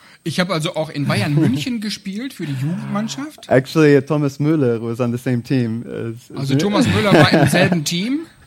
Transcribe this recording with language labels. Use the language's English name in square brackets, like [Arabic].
[German] Ich habe also auch in Bayern München gespielt für die Jugendmannschaft. [English] Actually, Thomas Müller was on the same team. [German] Also Thomas Müller war im selben Team.